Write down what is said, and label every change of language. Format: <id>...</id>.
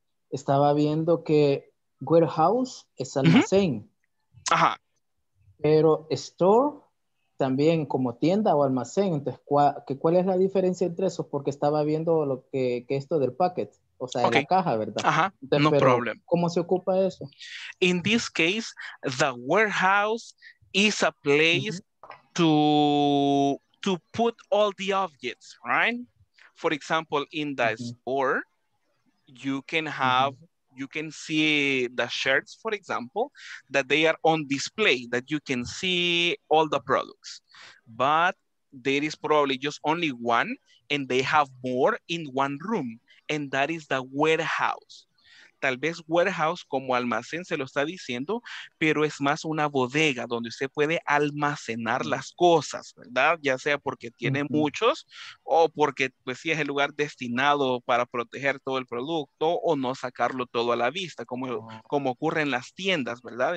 <es>Estaba viendo que warehouse es almacén. Uh-huh. Ajá. Pero store también como tienda o almacén. Entonces, ¿cuál es la diferencia entre esos? Porque estaba viendo lo que esto del packet, o sea, de la caja, ¿verdad?</es> <en>Ajá, uh-huh. No problem.</en> <es>¿Cómo se ocupa eso?</es> <en>In this case, the warehouse is a place uh-huh. to put all the objects, right? For example, in the uh-huh. store, you can have, mm-hmm. you can see the shirts, for example, that they are on display, that you can see all the products. But there is probably just only one, and they have more in one room, and that is the warehouse.</en> <es>Tal vez warehouse como almacén se lo está diciendo, pero es más una bodega donde usted puede almacenar las cosas, ¿verdad? Ya sea porque tiene uh-huh. muchos o porque pues sí es el lugar destinado para proteger todo el producto o no sacarlo todo a la vista, como ocurre en las tiendas, ¿verdad?</es>